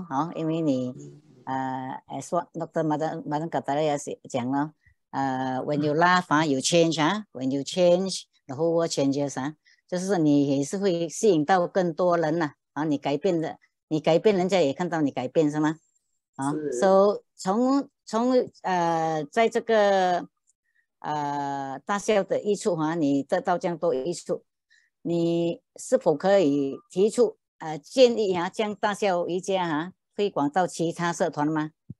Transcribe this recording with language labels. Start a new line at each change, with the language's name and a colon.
Chinese: 所以大笑其实帮助很大啦，因为健康方面也是可以改善，然后心情方面也是可以，给我们有一个很好的一个心情哦。嗯，很好，很好，就是说，当你做大笑啊，你就改变你的人生了咯，好，因为你，
English: as what Dr.
Chinese: Madam Kataria 讲咯。
English: When you laugh, you change, when you change, the whole world changes,
Chinese: 就是你也是会吸引到更多人, 你改变的, 你改变人家也看到你改变, 是吗? 是。 So, 从, 在这个, 大笑的益处, 你得到这样多益处, 你是否可以提出, 建议, 这样大笑一家, 推广到其他社团吗?